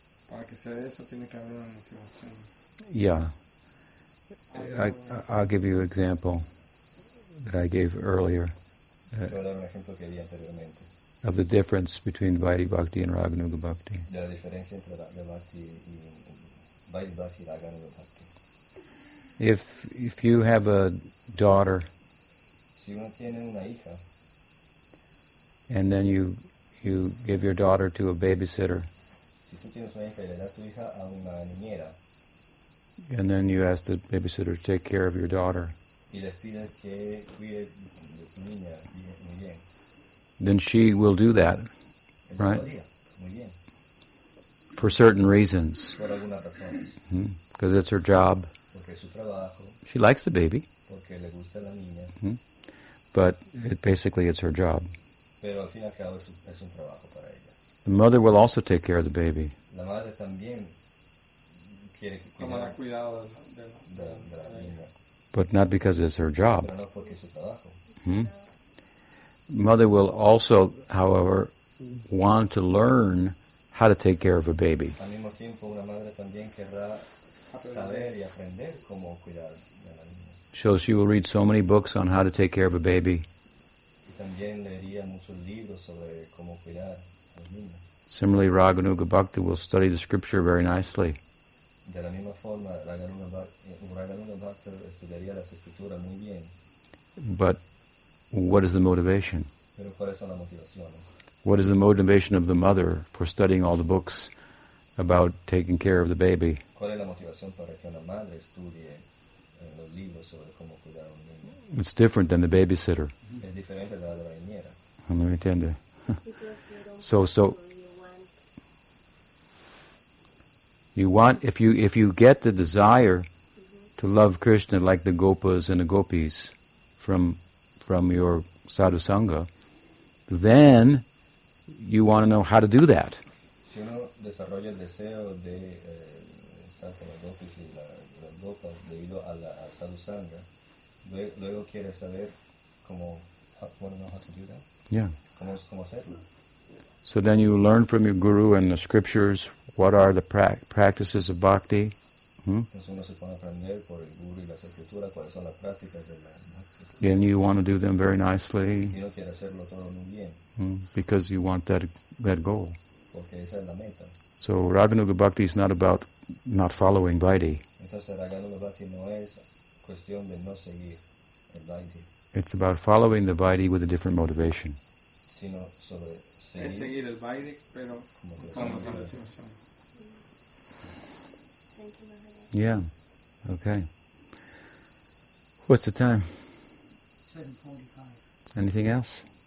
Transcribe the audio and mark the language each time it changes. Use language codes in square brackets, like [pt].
[es] Para que sea eso, tiene que haber una motivación. [en] Yeah. I'll give you an example that I gave earlier. [es] Yo le doy un ejemplo que di anteriormente. [en] Of the difference between Vaidhi Bhakti and Raganuga Bhakti. [es] De la diferencia entre la Bhakti y Vaidhi Bhakti y Raganuga Bhakti. [en] If you have a daughter, [es] si uno tiene una hija, [en] and then you give your daughter to a babysitter, [es] si tú tienes una hija y le das tu hija a una niñera, [en] and then you ask the babysitter to take care of your daughter, [es] y le pides que cuide de tu niña muy bien. [en] Then she will do that, right? [es] Muy bien. [en] For certain reasons. [es] Por alguna razón. [en] Because it's her job. [es] Porque es su trabajo. [en] She likes the baby. [es] Porque le gusta la niña. [en] But it, basically it's her job. [es] Pero al fin y al cabo es un trabajo para ella. [en] The mother will also take care of the baby. [es] La madre también quiere que cuidar. Tomará cuidado de la niña. [en] But not because it's her job. [es] Pero no porque es su trabajo. [en] Mother will also, however, want to learn how to take care of a baby. [es] Al mismo tiempo, una madre también querrá saber y aprender cómo cuidar de la niña. [en] So she will read so many books on how to take care of a baby. [es] Y también leería muchos libros sobre cómo cuidar a la niña. [en] Similarly, Raganuga Bhakti will study the scripture very nicely. [es] De la misma forma, Raganuga Bhakti estudiaría las escrituras muy bien. [en] But what is the motivation? [es] Pero ¿cuáles son las motivaciones? [en] What is the motivation of the mother for studying all the books about taking care of the baby? [es] ¿Cuál es la motivación para que una madre estudie los libros sobre cómo cuidar a un niño? [en] It's different than the babysitter. [es] Es diferente de la niñera. ¿No me entiende? [en] So you want, if you get the desire to love Krishna like the gopas and the gopis from your sadhu sangha, then you want to know how to do that. [es] Si uno desarrolla el deseo de saltar las gopis y las gopas debido a la sadhu sangha, luego quiere saber cómo, [en] want to know how to do that. Yeah. [es] Cómo hacerlo. [en] So then you learn from your guru and the scriptures what are the practices of bhakti. [es] Entonces uno se pone a aprender por el guru y las escrituras cuáles son las prácticas de la. [en] And you want to do them very nicely. [es] Yo quiero hacerlo todo muy bien. [en] Because you want that goal. [es] Porque esa es la meta. [en] So Raganuga Bhakti is not about not following Vaidhi. [es] Entonces, Raganuga Bhakti no es cuestión de no seguir el Vaidhi. [en] It's about following the Vaidhi with a different motivation. [es] Sino sobre seguir. Es seguir el Vaidhi, pero con otra motivación. [en] Thank you, Maharaj. Yeah. Okay. What's the time? 7:45. Anything else?